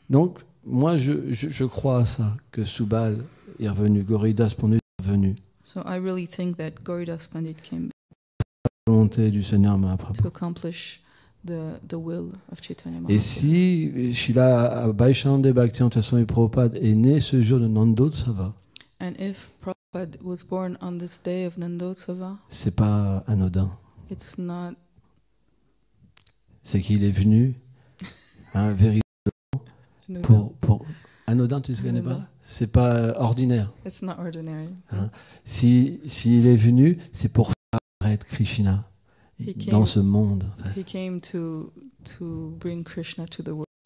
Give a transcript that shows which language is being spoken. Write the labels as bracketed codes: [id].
[fr] Donc moi, je crois à ça, que Subal est revenu, Gauri Das Pandit est revenu. [en] So I really think that Gauri Das Pandit came [fr] volonté du Seigneur Mahaprabhu. [en] To accomplish the will of Chaitanya Mahaprabhu. [fr] Et si Shila Vaishnava Bhakti Antaswami Prabhupada est né ce jour de Nandotsava, [en] and if Prabhupada was born on this day of Nandotsava, [fr] c'est pas anodin. [en] It's not. [fr] C'est qu'il est venu véritablement pour anodin, tu ne connais pas. C'est pas ordinaire. [en] It's not ordinary. Hein? [fr] S'il est venu, c'est pour faire apparaître Krishna dans ce monde. [en] He came to bring Krishna to the world.